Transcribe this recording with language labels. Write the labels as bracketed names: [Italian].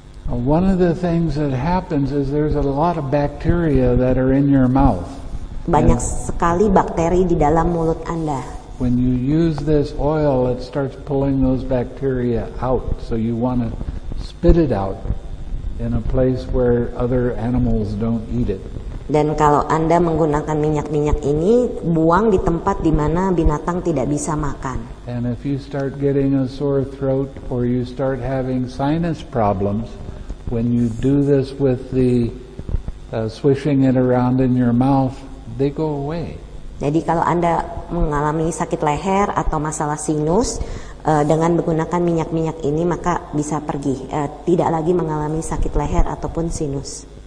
[English] One of the things that happens is there's a lot of bacteria that are in your mouth. [Indonesian] Banyak sekali bakteri di dalam mulut Anda. [English] When you use this oil, it starts pulling those bacteria out. So you want to spit it out in a place where other animals don't eat it. [Indonesian] Dan kalau Anda menggunakan minyak-minyak ini, buang di tempat di mana binatang tidak bisa makan. [English] And if you start getting a sore throat or you start having sinus problems, when you do this with the swishing it around in your mouth, they go away. [Indonesian] Jadi kalau Anda mengalami sakit leher atau masalah sinus dengan menggunakan minyak-minyak ini, maka bisa pergi, tidak lagi mengalami sakit leher ataupun sinus.